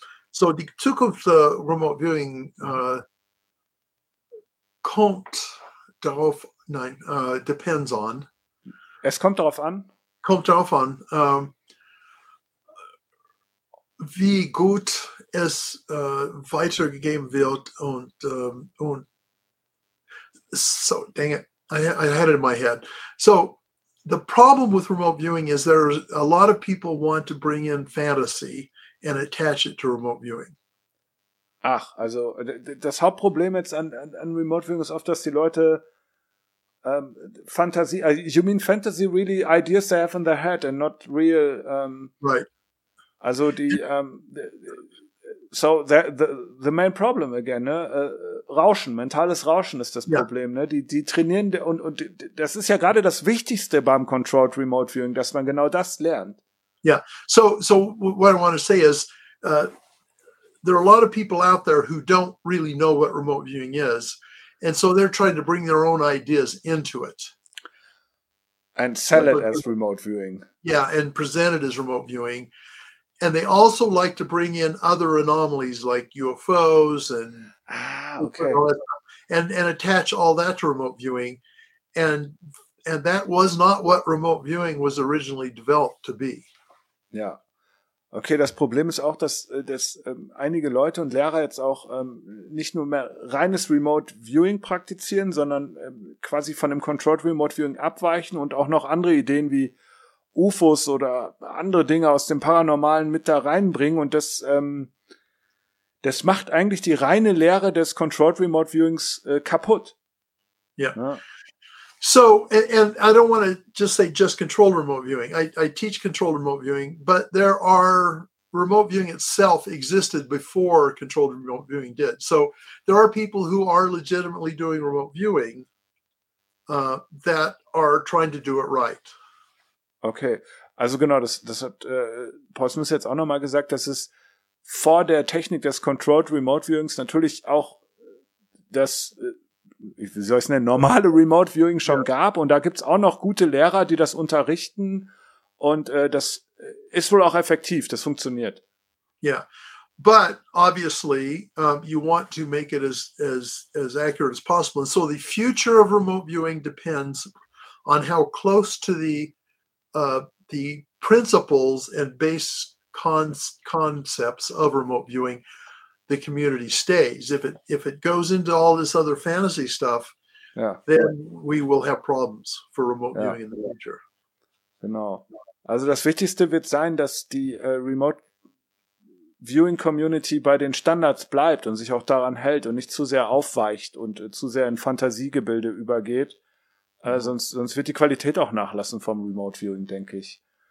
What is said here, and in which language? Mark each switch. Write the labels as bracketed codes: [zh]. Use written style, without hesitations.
[de] So, die Zukunft der Remote Viewing kommt darauf, nein, [en] depends on. [de] Es kommt darauf an? Kommt darauf an, wie gut es weitergegeben wird und so, [en] dang it, I had it in my head. So, the problem with remote viewing is there are a lot of people want to bring in fantasy and attach it to remote viewing. [de] Ach, also das Hauptproblem jetzt an remote viewing ist oft, dass die Leute Fantasy, [en] you mean fantasy really ideas they have in their head and not real. Right. Also the main problem again, ne? [de] Rauschen, mentales Rauschen ist das Problem, ne? Die trainieren und das ist ja gerade das Wichtigste beim Controlled Remote Viewing, dass man genau das lernt. [en] Yeah. So what I want to say is there are a lot of people out there who don't really know what remote viewing is, and so they're trying to bring their own ideas into it. And sell it as remote viewing. Yeah, and present it as remote viewing. And they also like to bring in other anomalies like UFOs and okay. and attach all that to remote viewing, and And that was not what remote viewing was originally developed to be. [de] Ja. Okay, das Problem ist auch, dass einige Leute und Lehrer jetzt auch nicht nur mehr reines Remote Viewing praktizieren, sondern quasi von dem Controlled Remote Viewing abweichen und auch noch andere Ideen wie UFOs oder andere Dinge aus dem Paranormalen mit da reinbringen. Und das das macht eigentlich die reine Lehre des Controlled Remote Viewings kaputt. [en] Yeah. Ja. So, and I don't want to just say just controlled remote viewing. I teach controlled remote viewing, but there are remote viewing itself existed before controlled remote viewing did. So there are people who are legitimately doing remote viewing that are trying to do it right. [de] Okay, also genau, das hat Paul Smith jetzt auch nochmal gesagt, dass es vor der Technik des controlled remote viewings natürlich auch das... wie soll ich es nennen, normale Remote Viewing schon gab. Und da gibt's auch noch gute Lehrer, die das unterrichten. Und das ist wohl auch effektiv, das funktioniert. [en] Yeah, but obviously you want to make it as accurate as possible. And so the future of remote viewing depends on how close to the principles and base concepts of remote viewing the community stays. If it goes into all this other fantasy stuff, then we will have problems for remote viewing in the future. [de] Genau. Also das Wichtigste wird sein, dass die Remote Viewing Community bei den Standards bleibt und sich auch daran hält und nicht zu sehr aufweicht und zu sehr in Fantasiegebilde übergeht. Sonst wird die Qualität auch nachlassen vom Remote Viewing, denke ich.